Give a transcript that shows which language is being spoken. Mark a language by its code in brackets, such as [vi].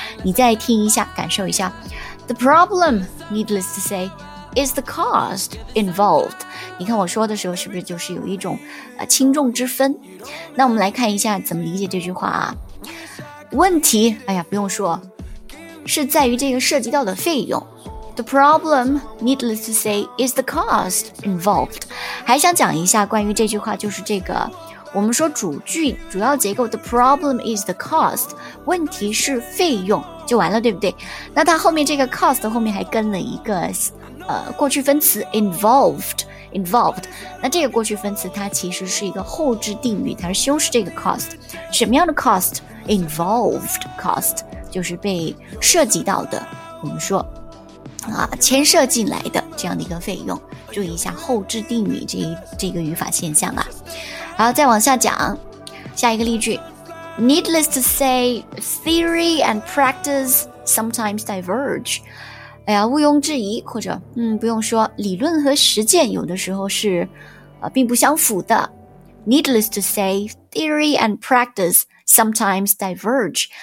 [zh] 你再听一下，感受一下 [en] the problem needless to sayIs the cost involved? [zh] 你看我说的时候是不是就是有一种轻重之分？那我们来看一下怎么理解这句话啊。问题，哎呀，不用说，是在于这个涉及到的费用。 [en] The problem, needless to say, is the cost involved. [zh] 还想讲一下关于这句话，就是这个我们说主句主要结构 [en] the problem is the cost， [zh] 问题是费用，就完了，对不对？那它后面这个 cost 后面还跟了一个过去分词 involved， 那这个过去分词它其实是一个后置定语，它是修饰这个 cost， 什么样的 cost？ involved cost 就是被涉及到的，我们说牵涉进来的这样的一个费用。注意一下后置定语这个语法现象啊。好，再往下讲下一个例句。 [en] Needless to say, theory and practice sometimes diverge。 [zh] 哎呀，毋庸置疑，或者不用说，理论和实践有的时候是并不相符的。 [en] Needless to say, theory and practice sometimes diverge。